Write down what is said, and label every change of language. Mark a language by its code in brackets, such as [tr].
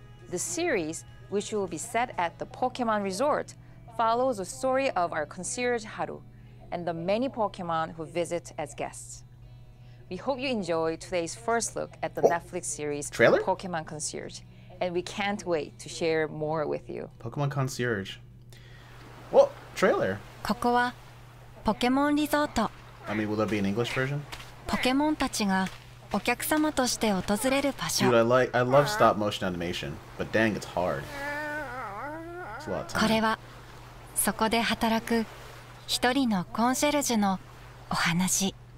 [en] The series, which will be set at the Pokemon Resort, follows the story of our concierge Haru and the many Pokemon who visit as guests. We hope you enjoy today's first look at the Netflix series trailer? Pokemon Concierge, and we can't wait to share more with you. Pokemon Concierge. Whoa, trailer. [ja] ここはポケモンリゾート。 [en] I mean, will there be an English version? [ja] ポケモンたちがお客様として訪れる場所。 [en] Dude, I love stop motion animation, but dang, it's hard. [ja] これはそこで働く一人のコンシェルジュのお話。